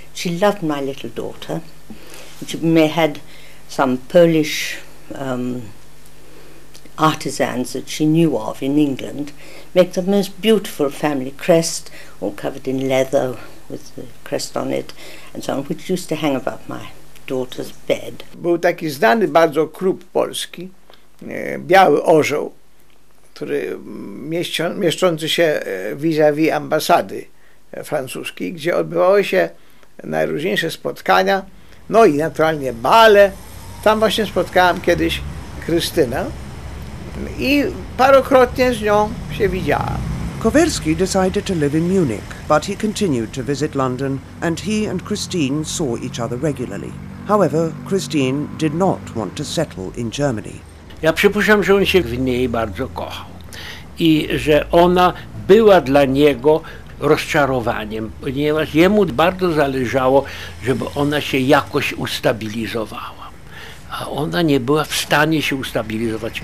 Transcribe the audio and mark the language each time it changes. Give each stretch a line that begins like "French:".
English: She loved my little daughter. She may have had some Polish artisans that she knew of in England make the most beautiful family crest, all covered in leather with the crest on it and so on, which used to hang above my daughter's bed.
Polish: Był taki znany bardzo krup polski, biały orzeł, który mieszczący się vis-a-vis ambasady francuskiej, gdzie odbywały się najróżniejsze spotkania, no i naturalnie bale. Tam właśnie spotkałem kiedyś Krystynę i parokrotnie z nią się widziałem.
English: Kowerski decided to live in Munich, but he continued to visit London, and he and Christine saw each other regularly. However, Christine did not want to settle in Germany.
Polish: Ja przypuszczam, że on się w niej bardzo kochał i że ona była dla niego rozczarowaniem, ponieważ jemu bardzo zależało, żeby ona się jakoś ustabilizowała. A ona nie była w stanie się ustabilizować.